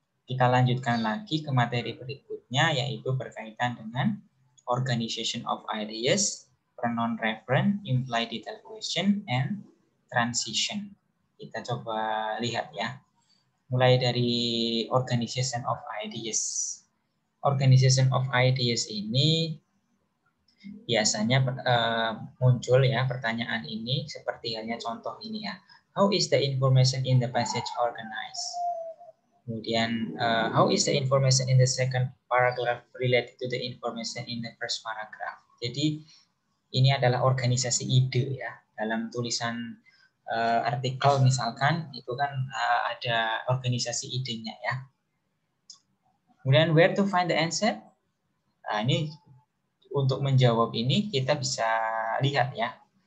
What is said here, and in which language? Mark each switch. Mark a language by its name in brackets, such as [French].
[Indonesian] Kita lanjutkan lagi ke materi berikutnya, yaitu berkaitan dengan organization of ideas, pronoun reference, implied detail question, and transition. Kita coba lihat ya. Mulai dari organization of ideas. Organization of ideas ini biasanya muncul ya pertanyaan ini, seperti halnya contoh ini ya. [English] How is the information in the passage organized? Kemudian, how is the information in the second paragraph related to the information in the first paragraph? [Indonesian] Jadi, ini adalah organisasi ide ya. Dalam tulisan artikel misalkan, itu kan ada organisasi idenya ya. Kemudian, where to find the answer? Nah, ini untuk menjawab ini kita bisa lihat ya.